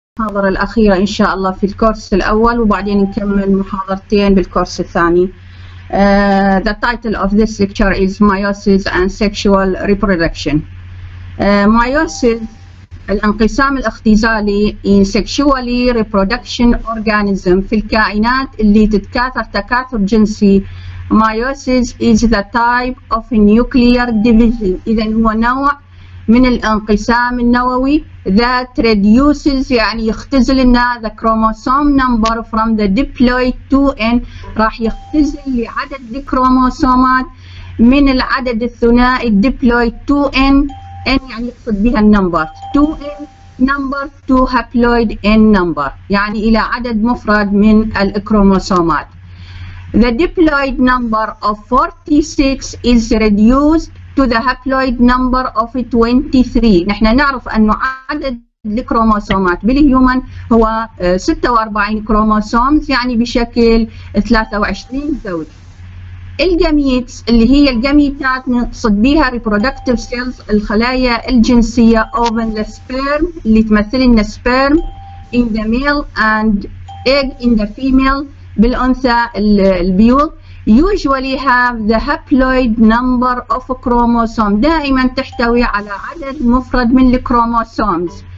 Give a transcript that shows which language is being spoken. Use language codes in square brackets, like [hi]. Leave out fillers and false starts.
[ar] المحاضرة الأخيرة إن شاء الله في الكورس الأول، وبعدين نكمل محاضرتين بالكورس الثاني. [en] The title of this lecture is Meiosis and Sexual Reproduction. [ar] Meiosis الانقسام الاختزالي [en] in sexually reproduction organism [ar] في الكائنات اللي تتكاثر تكاثر جنسي. [en] Meiosis is the type of nuclear division. [ar] إذا هو نوع من الانقسام النووي [en] that reduces [ar] يعني يختزل لنا [en] the chromosome number from the diploid to n [ar] راح يختزل لعدد الكروموسومات من العدد الثنائي [en] diploid to n [ar] n يعني يقصد بها النمبر 2n [en] number to haploid n number [ar] يعني الى عدد مفرد من الكروموسومات. [en] The diploid number of 46 is reduced to the haploid number of 23. [ar] نحن نعرف أن عدد الكروموسومات بالهيومن هو 46 كروموسوم يعني بشكل 23 زوج. الجاميتس اللي هي الجاميتات نقصد بها [en] reproductive cells [ar] الخلايا الجنسية [en] of the sperm [ar] اللي تمثل لنا [en] sperm in the male and egg in the female [ar] بالأنثى البيوض [en] usually have the haploid number of chromosome [ar] دائما تحتوي على عدد مفرد من الكروموسومز.